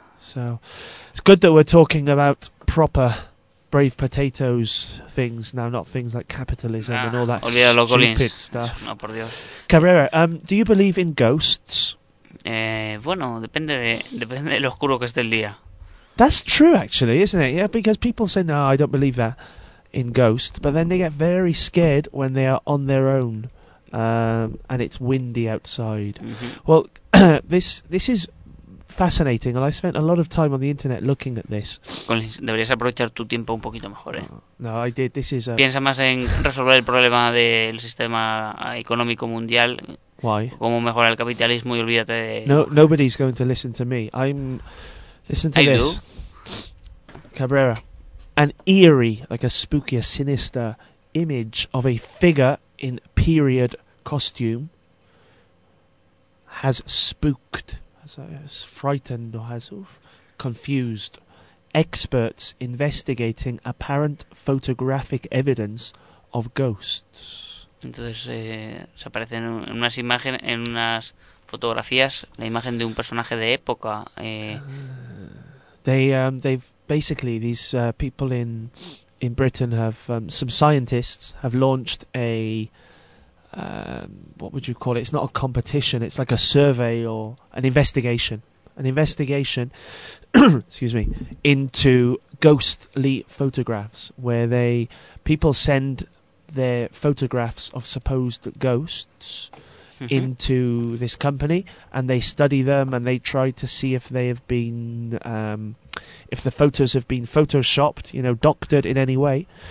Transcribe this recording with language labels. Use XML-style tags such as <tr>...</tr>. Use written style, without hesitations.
<en>So, it's good that we're talking about proper Brave Potatoes things now, not things like capitalism and all that stupid stuff.</en> <es>No, por Dios.</es> <en>Cabrera, do you believe in ghosts?</en> <es>Bueno, depende de lo oscuro que esté el día.</es> <en>That's true, actually, isn't it? Yeah, because people say, no, I don't believe that. In ghost, but then they get very scared when they are on their own and it's windy outside. Mm-hmm. Well, this is fascinating, and I spent a lot of time on the internet looking at this.</en> <es>Collins, deberías aprovechar tu tiempo un poquito mejor, ¿eh?</es> <en>No, I did. This is a...</en> <es>Piensa más en resolver el problema del sistema económico mundial.</es> <en>Why?</en> <es>Cómo mejorar el capitalismo y olvídate de...</es> <en>No, nobody's going to listen to me. Listen to this. Cabrera. An eerie, like a spooky, a sinister image of a figure in period costume has spooked, has frightened, or has confused experts investigating apparent photographic evidence of ghosts.</en> <es>Entonces, se aparece en unas imágenes, en unas fotografías, la imagen de un personaje de época.</es> <en>They've basically, these people in Britain have some scientists have launched a what would you call it? It's not a competition. It's like a survey or an investigation. excuse me, into ghostly photographs, where people send their photographs of supposed ghosts into this company, and they study them, and they try to see if they have been, if the photos have been photoshopped, you know, doctored in any way.</en>